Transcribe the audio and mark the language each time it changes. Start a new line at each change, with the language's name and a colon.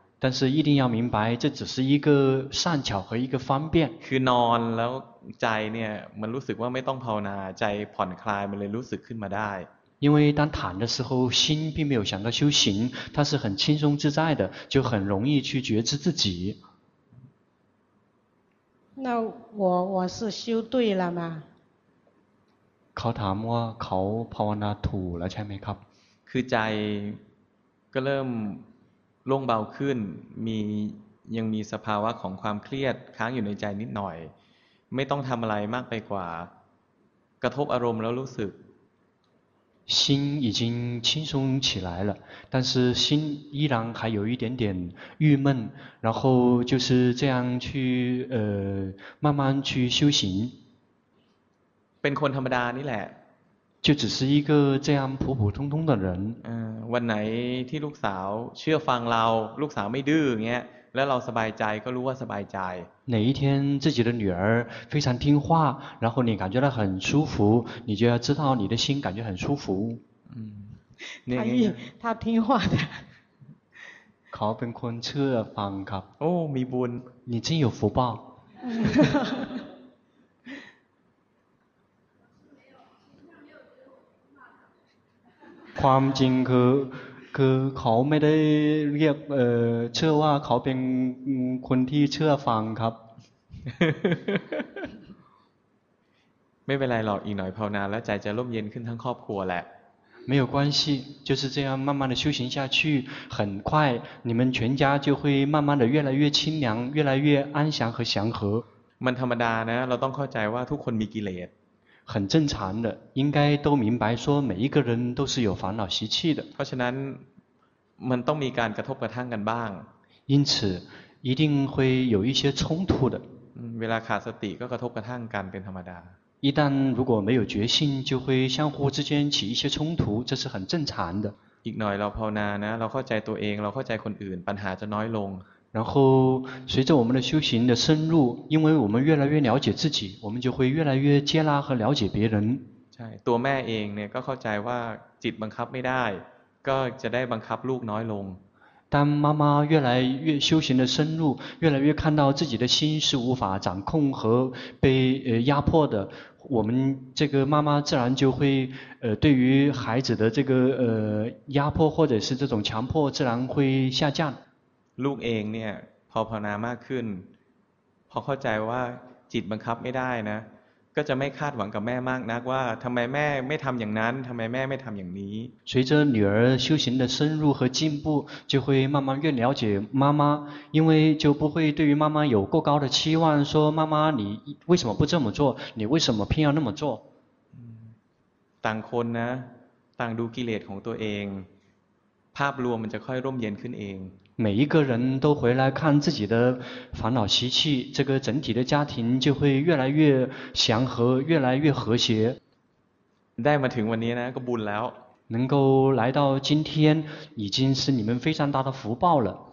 Thai: แต่
Chinese: 一定要明白这只是一个善巧和一个方便
Thai: คือนอนแล้วใจเนี่ยมันรู้สึกว่าไม่ต้องภาวนาใจผ่อนคลายมันเลยรู้สึกขึ้นมาได้
Chinese: 因为当躺的时候心并没有想到修行它是很轻松自在的就很容易去觉知自己那我是修对了吗
Thai: เขาถามว่าเขาภาวนาถูกแล้วใช่ไหมครับ คือใจก็เริ่มโล่งเบาขึ้นมียังมีสภาวะของความเครียดค้างอยู่ในใจนิดหน่อยไม่ต้องทำอะไรมากไปกว่ากระทบอารมณ์แล้วรู้สึก
Chinese: 心已经轻松起来了但是心依然还有一点点郁闷然后就是这样去慢慢去修行
Thai: เป็นคนธรรมดานี่แหละ
Chinese: 就只是一个这样普普通通的人
Thai: วันไหนที่ลูกสาวเชื่อฟังเราลูกสาวไม่ดื้อเงี้ยแล้วเราสบายใจก็รู้ว่าสบายใจ
Chinese: 哪一天自己的女儿非常听话然后你感觉到很舒服你就要知道你的心感觉很舒服他听话的
Thai: เขาเป็นคนเชื่อฟังครับ โอ้มีบุญ
Chinese: 你真有福报
Thai: ความจริงคือเขาไม่ได้เรียกเชื่อว่าเขาเป็นคนที่เชื่อฟังครับ ไม่เป็นไรหรอกอีกหน่อยภาวนาแล้วใจจะร่มเย็นขึ้นทั้งครอบครัวแหละ
Chinese: 没有关系就是这样慢慢的修行下去很快你们全家就会慢慢的越来越清凉越来越安详和祥和
Thai: มันธรรมดานะเราต้องเข้าใจว่าทุกคนมีกิเลส
Chinese: 很正常的应该都明白说每一个人都是有烦恼习气的
Thai: เพราะฉะนั้นมันต้องมีการกระทบกระทั่งกันบ้าง
Chinese: 因此一定会有一些冲突的
Thai: เวลาขาดสติก็กระทบกระทั่งกันเป็นธรรมดา
Chinese: 一旦如果没有决心，就会相互之间起一些冲突，这是很正常的。
Thai: อีกหน่อยเราภาวนานะเราเข้าใจตัวเองเราเข้าใจคนอื่นปัญหาจะน้อยลง
Chinese: 然后随着我们的修行的深入，因为我们越来越了解自己，我们就会越来越接纳和了解别人。
Thai: ใช่ตัวแม่เองเนี่ยก็เข้าใจว่าจิตบังคับไม่ได้ก็จะได้บังคับลูกน้อยลง
Chinese: 当妈妈越来越修行的深入，越来越看到自己的心是无法掌控和被压迫的，我们这个妈妈自然就会对于孩子的这个压迫或者是这种强迫自然会下降。
Thai: ลูกเองเนี่ยพอภาวนามากขึ้นพอเข้าใจว่าจิตบังคับไม่ได้นะก็จะไม่คาดหวังกับแม่มากนักว่าทำไมแม่ไม่ทำอย่างนั้นทำไมแม่ไม่ทำอย่างนี้
Chinese: 随着女儿修行的深入和进步就会慢慢越了解妈妈因为就不会对于妈妈有过高的期望说妈妈你为什么不这么做你为什么偏要那么做
Thai: ต่างคนนะต่างดูกิเลสของตัวเองภาพรวมมันจะค่อยร่มเย็นขึ้นเอง
Chinese: M每一个人都回来看自己的烦恼习气，这个整体的家庭就会越来越祥和，越来越和谐。
Thai: ได้มาถึงวันนี้นะก็บุญแล้ว
Chinese: 能够来到今天已经是你们非常大的福报了。